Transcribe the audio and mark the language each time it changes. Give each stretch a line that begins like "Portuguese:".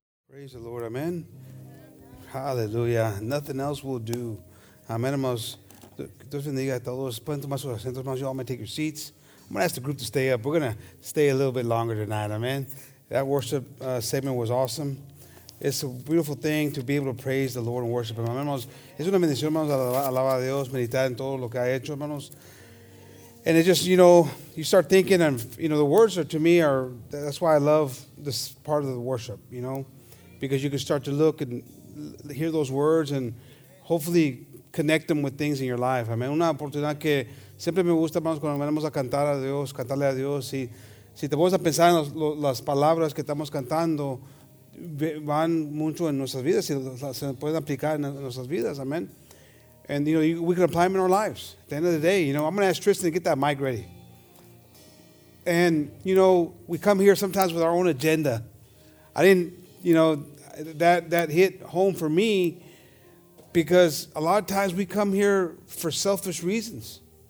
English: Praise the Lord. Amen. Hallelujah. Nothing else will do. Amen. Y'all may take your seats. I'm going to ask the group to stay up. We're going to stay a little bit longer tonight. Amen. That worship segment was awesome. It's a beautiful thing to be able to praise the Lord and worship Him.
Spanish: Hermanos, es una bendición, hermanos, alabar a Dios, meditar en todo lo que ha hecho, hermanos.
English: And it just, you know, you start thinking, and, you know, the words are, to me, are, that's why I love this part of the worship, you know, because you can start to look and hear those words and hopefully connect them with things in your life. Amen.
Spanish: Una oportunidad que siempre me gusta, hermanos, cuando venimos a cantar a Dios, cantarle a Dios, y si te vas a pensar en las palabras que estamos cantando, van mucho en nuestras vidas y se pueden aplicar en nuestras vidas, amen.
English: And, you know, we can apply them in our lives. At the end of the day, you know, I'm going to ask Tristan to get that mic ready. And, you know, we come here sometimes with our own agenda. I didn't, you know, that hit home for me because a lot of times we come here for selfish reasons.